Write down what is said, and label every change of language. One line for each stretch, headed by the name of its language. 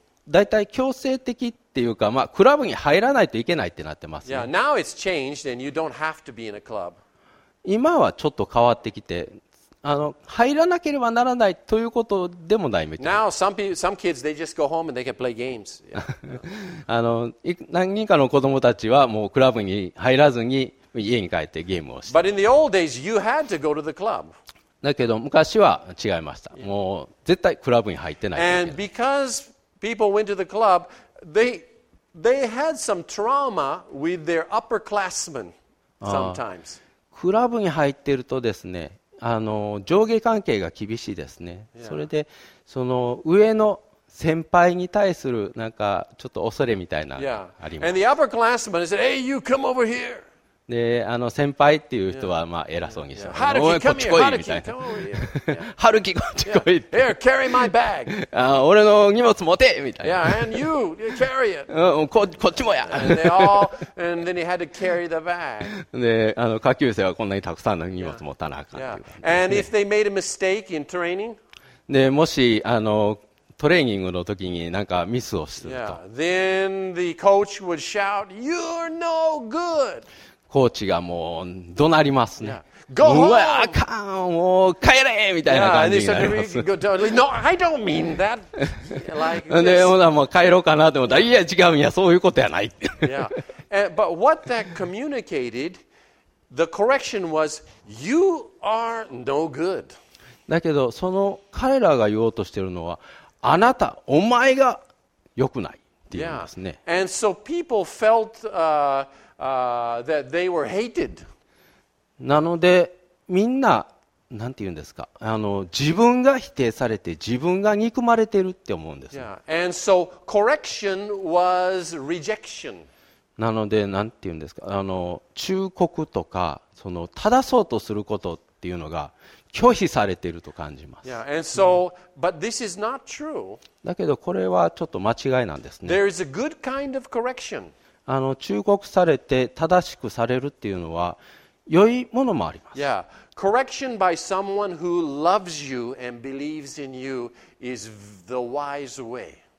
Japanese: だいたい強制的っていうか、まあ、クラブに入らないといけないってなってますね。
English: Yeah, now it's changed and you don't have to be in a club.
Japanese: 今はちょっと変わってきて、入らなければならないということでもないみたいな。
English: Now some kids, they just go home and they can play games. Yeah.
Japanese: 何人かの子供たちはもうクラブに入らずに家に帰ってゲームをして。
English: But in the old days, you had to go to the club.
Japanese: だけど昔は違いました。もう絶対クラブに入ってない。
English: And because people went to the club, they had some trauma with their upperclassmen sometimes.
Japanese: クラブに入っているとですね、上下関係が厳しいですね。それでその上の先輩に対するなんかちょっと恐れみたいなのがあります。
English: And the upperclassmen said, hey, you come over here.
Japanese: で先輩っていう人はまあ偉そうにしてる。おい、こっち来いみたいな。ハルキ、こっち来いって。
English: Here, carry my bag.
Japanese: 俺の荷物持てみたいな。
English: Yeah, and you, you carry it.
Japanese: こっちもや。
English: And then he had to carry the bag.
Japanese: で下級生はこんなにたくさんの荷物持たなあかんっていう感じ。
English: And if they made a mistake in training?
Japanese: で、もしトレーニングの時に何かミスをすると。
English: Yeah, then the coach would shout, you're no good.
Japanese: コーチがもう怒鳴りますね。
English: Yeah.
Japanese: うわあかん、もう帰れみたいな感じになります。
English: No, I don't mean that.
Japanese: で、ほらもう帰ろうかなと思ったら、いや違うんや、そういうことやない。
English: Yeah. But what that communicated, the correction was, you are no good.
Japanese: だけど、その彼らが言おうとしているのは、あなた、お前が良くないって言いますね。
English: Yeah. And so people felt, that they were hated.
Japanese: なのでみんな、なんて言うんですか、自分が否定されて自分が憎まれてるって思うんです。
English: Yeah. And so correction was rejection.
Japanese: なのでなんて言うんですか、忠告とかその正そうとすることっていうのが拒否されていると感じます。
English: Yeah, and so, but this is not true.
Japanese: だけどこれはちょっと間違いなんですね。
English: There is a good kind of correction.
Japanese: 忠告されて正しくされるっていうのは良いものもあります。
English: Yeah, correction by someone who loves you and believes in you is the wise way.